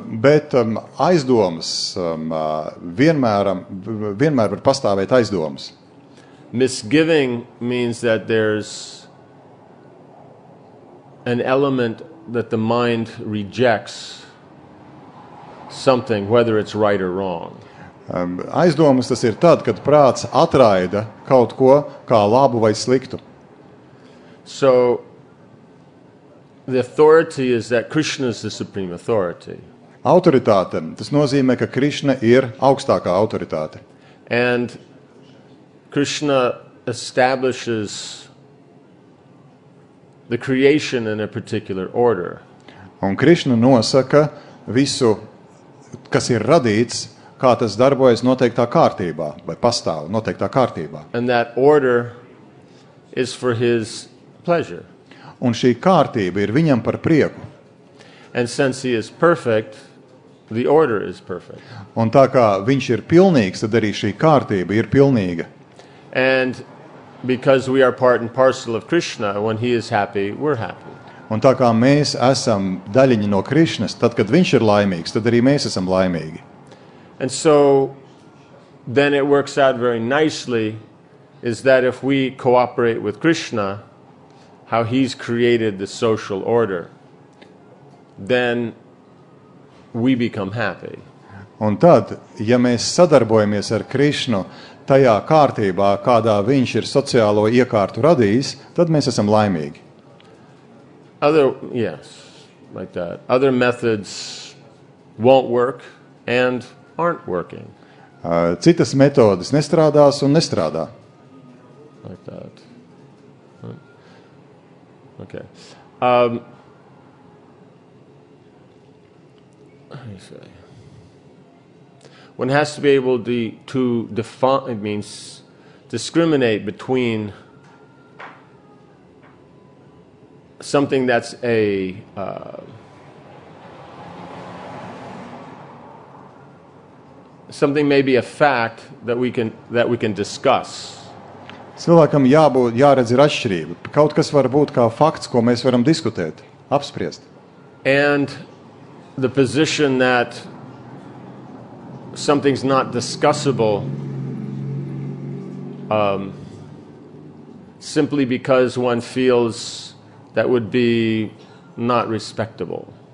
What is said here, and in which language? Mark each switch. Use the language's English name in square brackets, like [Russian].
[Latvian] Bet aizdomas vienmēr var pastāvēt aizdomas. [English] Misgiving means that there's an element that the mind rejects something, whether it's right or wrong. [Latvian] Aizdomas tas ir tad, kad prāts atraida kaut ko kā labu vai sliktu. [English] So, the authority is that Krishna is the supreme authority. [Latvian] Autoritāte, tas nozīmē, ka Krishna ir augstākā autoritāte. [English] And Krishna establishes the creation in a particular order. [Latvian] Un Krishna nosaka visu, kas ir radīts, kā tas darbojas noteiktā kārtībā, vai pastāv noteiktā kārtībā. [English] And that order is for his pleasure. [Latvian] Un šī kārtība ir viņam par prieku. [English] And since he is perfect, the order is perfect. [Latvian] Un tā kā viņš ir pilnīgs, tad arī šī kārtība ir pilnīga. [English] And because we are part and parcel of Krishna, when he is happy, we're happy. [Latvian] Un tā kā mēs esam daļiņi no Krišnas, tad, kad viņš ir laimīgs, tad arī mēs esam laimīgi. [English] And so, then it works out very nicely, is that if we cooperate with Krishna, how he's created the social order, then we become happy. [Latvian] Un tad, ja mēs sadarbojamies ar Krišnu tajā kārtībā, kādā viņš ir sociālo iekārtu radījis, tad mēs esam laimīgi. [English] Other methods won't work and aren't working. [Latvian] Citas metodes nestrādās un nestrādā. [English] Like that. Okay. One has to be able to discriminate between something that's a something may be a fact that we can discuss. [Latvian] Cilvēkam jābūt, jāredz ir atšķirība. Kaut kas var būt kā fakts, ko mēs varam diskutēt, apspriest. [English] And the position that something's not discussable simply because one feels that would be not respectable.